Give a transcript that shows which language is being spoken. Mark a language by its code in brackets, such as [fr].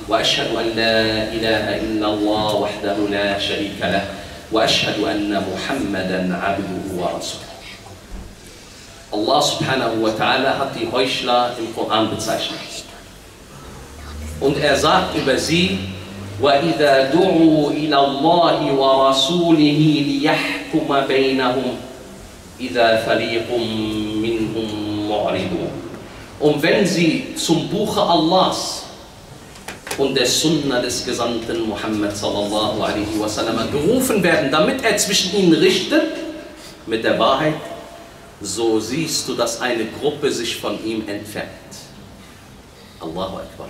[ar] وأشهد أن لا إله إلا الله وحده لا شريك له وأشهد أن محمدًا عبده ورسوله. الله سبحانه وتعالى [de] hat die Heuchler im Koran bezeichnet. Und er sagt über sie, [ar] وَإِذَا دُعُوا إِلَى اللَّهِ وَرَسُولِهِ لِيَحْكُمَ بَيْنَهُمْ إِذَا فَرِيقٌ مِّنْهُمْ مُعْرِضُونَ. [de] Und wenn sie zum Buche Allahs und der Sunna des Gesandten Muhammad sallallahu alaihi wasallam gerufen werden, damit er zwischen ihnen richtet mit der Wahrheit, so siehst du, dass eine Gruppe sich von ihm entfernt. Allahu Akbar.